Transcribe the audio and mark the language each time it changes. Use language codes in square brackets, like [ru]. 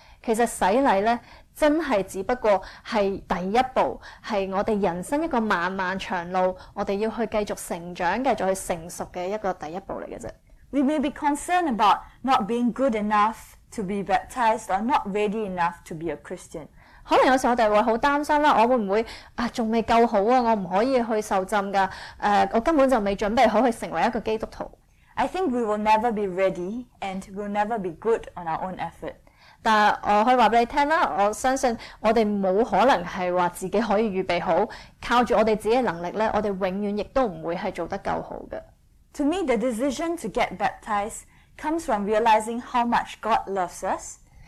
[yue] 其實洗禮咧真係只不過係第一步，係我哋人生一個漫漫長路，我哋要去繼續成長，繼續去成熟嘅一個第一步嚟嘅啫。 [en] We may be concerned about not being good enough to be baptized or not ready enough to be a Christian. [yue] 可能有時候我哋會好擔心啦，我會唔會仲未夠好啊？我唔可以去受浸㗎，我根本就未準備好去成為一個基督徒。 [en] I think we will never be ready and we'll never be good on our own effort. [yue] 但我可以告訴你聽啦，我相信我哋冇可能係話自己可以預備好，靠住我哋自己嘅能力咧，我哋永遠亦都唔會係做得夠好嘅。 [en] To me, the decision to get baptized comes from realizing how much God loves us。